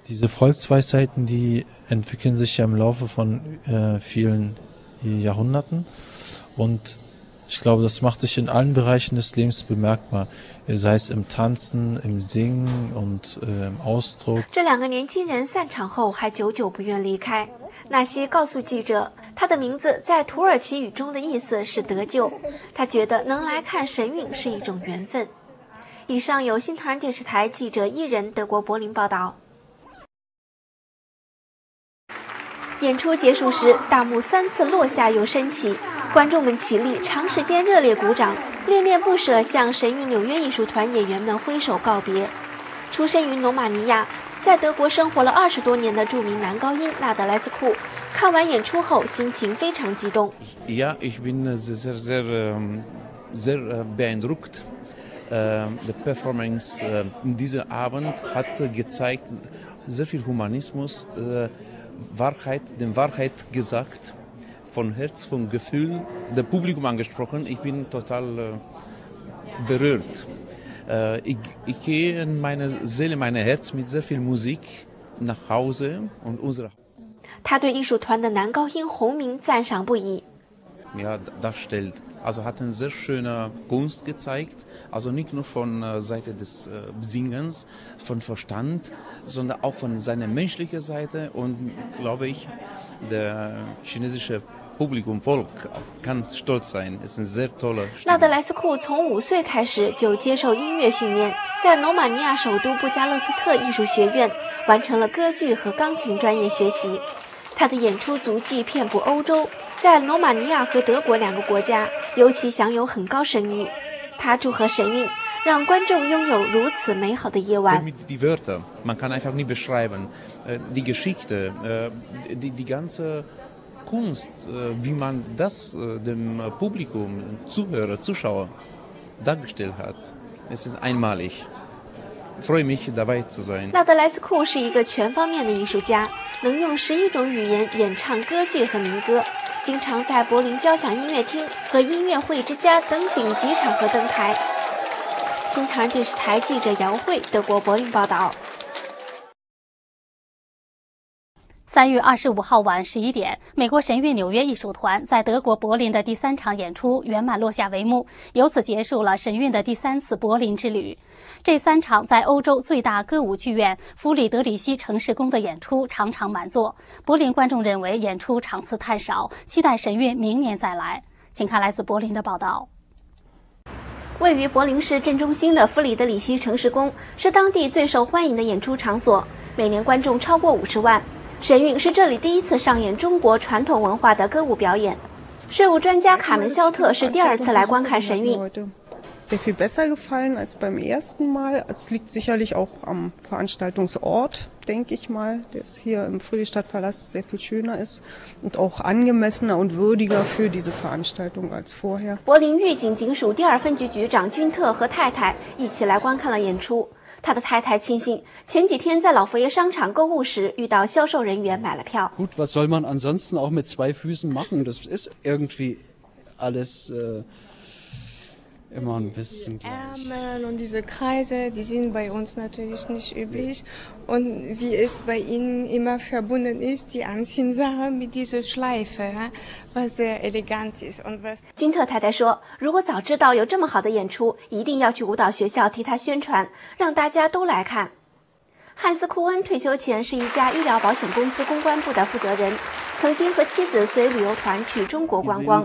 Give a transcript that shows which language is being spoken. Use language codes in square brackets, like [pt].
[de] Diese Volksweisheiten, die entwickeln sich ja im Laufe von vielen Jahrhunderten und ich glaube, das macht sich in allen Bereichen des Lebens bemerkbar, sei es im Tanzen, im Singen und im Ausdruck. [zh] 这两个年轻人散场后还久久不愿离开。纳西告诉记者，他的名字在土耳其语中的意思是得救，他觉得能来看神韵是一种缘分。以上由新唐人电视台记者伊人德国柏林报道。演出结束时，大幕三次落下又升起，观众们起立，长时间热烈鼓掌，恋恋不舍向神韵纽约艺术团演员们挥手告别。出生于罗马尼亚，在德国生活了20多年的著名男高音纳德莱斯库，看完演出后心情非常激动。 [de] Ja, ich bin sehr, sehr, sehr beeindruckt. Die Performance dieser Abend hat gezeigt sehr viel Humanismus. Wahrheit, den Wahrheit gesagt, von Herz, von Gefühl, der Publikum angesprochen. Ich bin total berührt. Ich gehe in meine Seele, mein Herz mit sehr viel Musik nach Hause und unsere. [zh] 他对艺术团的男高音洪明赞赏不已。 [de] Ja, darstellt. Also hat eine sehr schöne Kunst gezeigt. Also nicht nur von Seite des Singens, von Verstand, sondern auch von seiner menschlichen Seite. Und glaube ich, der chinesische Publikum, Volk kann stolz sein. Es ist eine sehr tolle Stimme. [zh] 纳德莱斯库从五岁开始就接受音乐训练，在罗马尼亚首都布加勒斯特艺术学院完成了歌剧和钢琴专业学习。他的演出足迹遍布欧洲，在罗马尼亚和德国两个国家尤其享有很高声誉。他祝贺神韵让观众拥有如此美好的夜晚。 [de] Die Wörter, man kann einfach nie beschreiben, die Geschichte, die ganze Kunst, wie man das dem Publikum, Zuhörer, Zuschauer dargestellt hat. Es ist einmalig. Freue mich dabei zu sein. [zh] 纳德莱斯库是一个全方面的艺术家，能用11种语言演唱歌剧和民歌，经常在柏林交响音乐厅和音乐会之家等顶级场合登台。新唐人电视台记者姚慧，德国柏林报道。 3月25号晚11点，美国神韵纽约艺术团在德国柏林的第三场演出圆满落下帷幕，由此结束了神韵的第三次柏林之旅。这三场在欧洲最大歌舞剧院弗里德里希城市宫的演出场场满座，柏林观众认为演出场次太少，期待神韵明年再来。请看来自柏林的报道。位于柏林市镇中心的弗里德里希城市宫是当地最受欢迎的演出场所，每年观众超过50万。神韵是这里第一次上演中国传统文化的歌舞表演。税务专家卡门肖特是第二次来观看神韵。 [de] Sehr viel besser gefallen als beim ersten Mal. Es liegt sicherlich auch am Veranstaltungsort, denke ich mal, der hier im Friedrichstadtpalast sehr viel schöner ist und auch angemessener und würdiger für diese Veranstaltung als vorher. [zh] 柏林预警警署第二分局局长君特和太太一起来观看了演出。他的太太庆幸前几天在老佛爷商场购物时遇到销售人员买了票。 [de] Gut, was soll man ansonsten auch mit zwei Füßen machen? Das ist irgendwie alles. Immer ein bisschen gleich. Ärmel und diese Kreise, die sind bei uns natürlich nicht üblich. Und wie es bei Ihnen immer verbunden ist, die Anziehsache mit dieser Schleife, was sehr elegant ist. [zh] 君特太太说，如果早知道有这么好的演出，一定要去舞蹈学校替他宣传，让大家都来看。汉斯·库恩退休前是一家医疗保险公司公关部的负责人，曾经和妻子随旅游团去中国观光。